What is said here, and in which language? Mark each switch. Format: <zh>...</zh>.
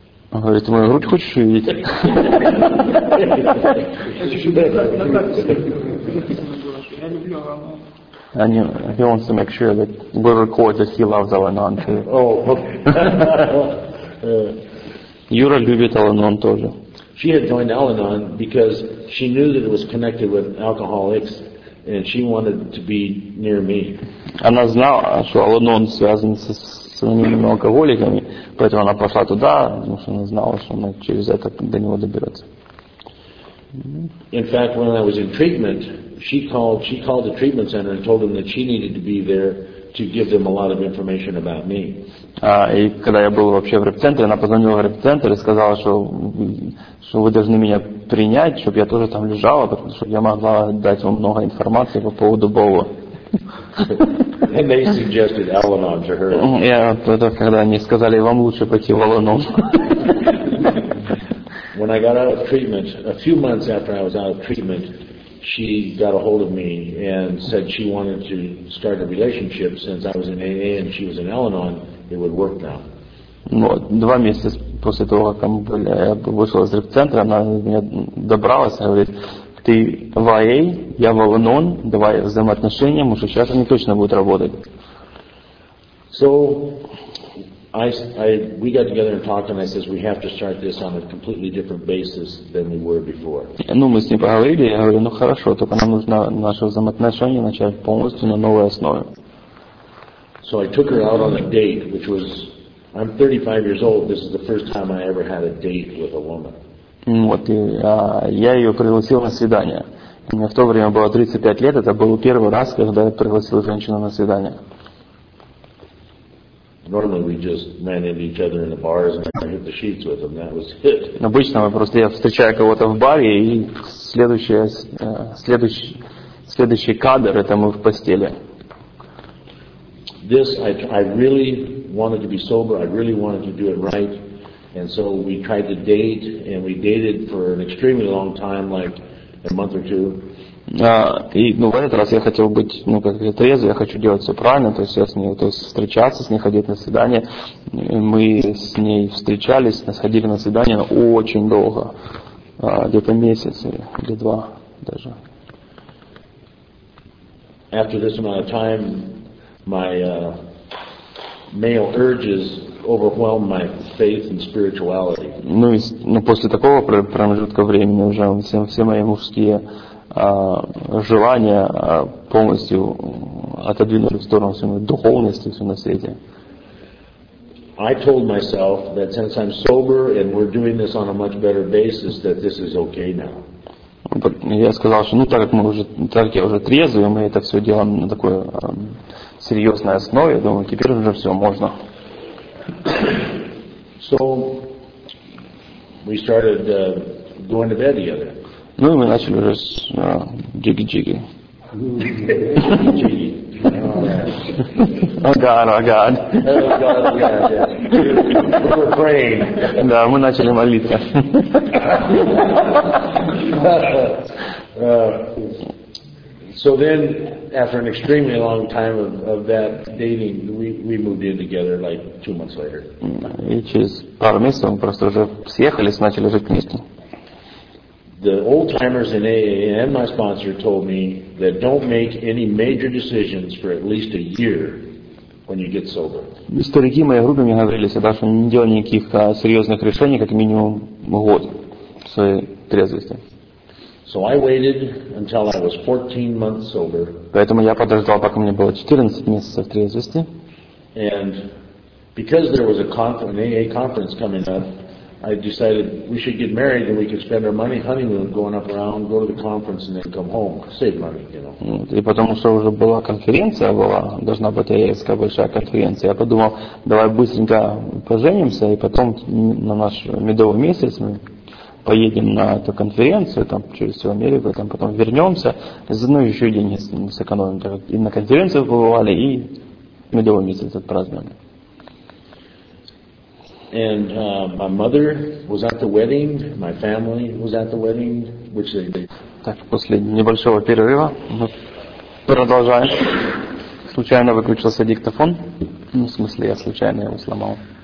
<ru>Он говорит, мою грудь хочешь увидеть? Я люблю Al-Anon.</ru> <en>And he wants to make sure that we record that he loves Al-Anon too. Oh, okay.</en> <ru>Юра любит Al-Anon тоже.</ru> <en>She had joined Al-Anon because she knew that it was connected with alcoholics, and she wanted to be near me.</en> <ru>Она знала, что Al-Anon связан с анонимными алкоголиками, поэтому она пошла туда, потому что она знала, что она через это до него доберется.</ru> <en>In fact, when I was in treatment, she called the treatment center and told them that she needed to be there to give them a lot of information about me.</en> <ru>И когда я был вообще в реп-центре, она позвонила в реп-центр и сказала, что вы должны меня принять, чтобы я тоже там лежала, потому что я могла дать вам много информации по поводу Боба.</ru> <en>And they suggested Al-Anon to her.</en> <ru>Это когда они сказали, вам лучше пойти в Al-Anon.</ru> <en>When I got out of treatment, a few months after I was out of treatment, she got a hold of me and said she wanted to start a relationship. Since I was in AA and she was in Al-Anon, it would work now.</en> <ru>Ну, два месяца после того, как я вышел из реп-центра, она мне добралась и говорит, ты в AA, я в Al-Anon, давай взаимоотношения, может, сейчас они точно будут работать.</ru> <en>So, we got together and talked, and I said, we have to start this on a completely different basis than we were before.</en> <ru>Ну, мы с ним поговорили, я говорю, ну хорошо, только нам нужно наши взаимоотношения начать полностью на новой основе.</ru> <en>So I took her out on a date, which was, I'm 35 years old, this is the first time I ever had a date with a woman.</en> <ru>Вот, и я ее пригласил на свидание. Мне в то время было 35 лет, это был первый раз, когда я пригласил женщину на свидание.</ru> <en>Normally we just ran into each other in the bars and I hit the sheets with them. That was it.</en> <ru>Обычно мы просто я встречаю кого-то в баре и следующий кадр это мы в постели.</ru> <en>This I really wanted to be sober. I really wanted to do it right. And so we tried to date and we dated for an extremely long time, like a month or two.</en> <ru>В этот раз я хотел быть, как говорится, трезвый, я хочу делать все правильно, то есть встречаться с ней, ходить на свидание. Мы с ней встречались, сходили на свидание очень долго, где-то месяц или два даже.</ru> <en>After this amount of time, my male urges overwhelmed my faith and spirituality.</en> <ru>После такого промежутка времени уже все мои мужские желания полностью отодвинули в сторону всю мою духовность и все на свете.</ru> <en>I told myself that since I'm sober and we're doing this on a much better basis, that this is okay now.</en> <ru>Я сказал, что так как я уже трезвый, мы это все делаем на такой серьезной основе, думаю, теперь уже все можно.</ru> <en>So we started going to bed together.</en> <ru>И мы начали уже с джиги-джиги.</ru> <en>Oh God. Yeah. We were praying.</en> <ru>Да, мы начали молиться.</ru> <en>So then, after an extremely long time of that dating, we moved in together like 2 months later.</en> <ru>И через пару месяцев мы просто уже съехались, начали жить вместе.</ru> <en>The old timers in AA and my sponsor told me that don't make any major decisions for at least a year when you get sober.</en> <ru>Старики в моей группе мне говорили, что не делай никаких серьезных решений как минимум год в своей трезвости.</ru> <en>So I waited until I was 14 months sober.</en> <ru>Поэтому я подождал, пока мне было 14 месяцев трезвости.</ru> <en>And because there was an AA conference coming up, I decided we should get married and we could spend our money honeymoon going up around, go to the conference and then come home, save money, you know.</en> <ru>И потому что уже была конференция, должна быть AA-ская большая конференция, я подумал, давай быстренько поженимся и потом на наш медовый месяц мы поедем на эту конференцию, там через всю Америку, там потом вернемся, заодно еще деньги сэкономим, так как и на конференцию побывали, и медовый месяц отпразднуем.</ru> <en>And my mother was at the wedding, my family was at the wedding, which they did.</en> <ru>Так, после небольшого перерыва мы продолжаем. Случайно выключился диктофон. В смысле, я случайно его сломал.</ru>